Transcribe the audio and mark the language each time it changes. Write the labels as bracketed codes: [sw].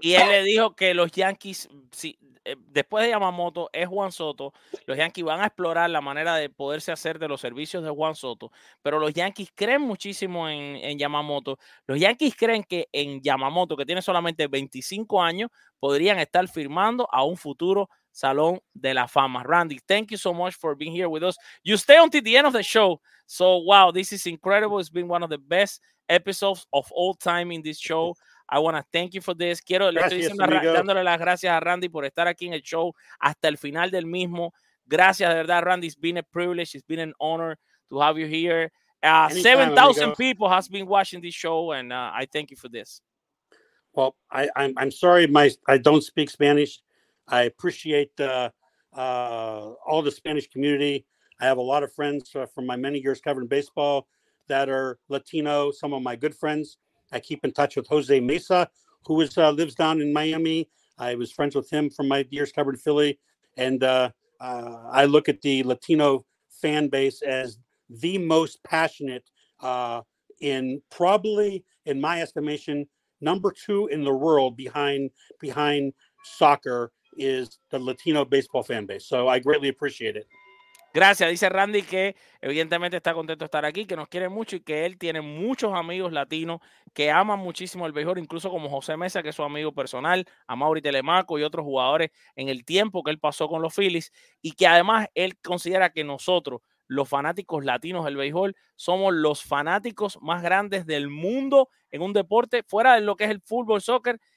[es] Y él le dijo que los Yankees, después de Yamamoto es Juan Soto, los Yankees van a explorar la manera de poderse hacer de los servicios de Juan Soto, pero los Yankees creen muchísimo en Yamamoto. Los Yankees creen que en Yamamoto, que tiene solamente 25 años, podrían estar firmando a un futuro Salón de la Fama. [en] Randy, thank you so much for being here with us. You stay until the end of the show. So, wow, this is incredible. It's been one of the best episodes of all time in this show. I want to thank you for this. [es] Dándole las gracias a Randy por estar aquí en el show hasta el final del mismo. Gracias, de verdad, [en] Randy. It's been a privilege. It's been an honor to have you here. 7,000 people has been watching this show, and I thank you for this. Well, I'm sorry I don't speak Spanish. I appreciate all the Spanish community. I have a lot of friends from my many years covering baseball that are Latino, some of my good friends. I keep in touch with Jose Mesa, who lives down in Miami. I was friends with him from my years covering Philly. And I look at the Latino fan base as the most passionate in my estimation, number two in the world behind soccer. Is the Latino baseball fan base. So I greatly appreciate it. [es] Gracias. Dice Randy que evidentemente está contento de estar aquí, que nos quiere mucho y que él tiene muchos amigos latinos que aman muchísimo el béisbol, incluso como José Mesa, que es su amigo personal, a Mauri Telemaco y otros jugadores en el tiempo que él pasó con los Phillies, y que además él considera que nosotros, los fanáticos latinos del béisbol, somos los fanáticos más grandes del mundo en un deporte fuera de lo que es el fútbol, soccer.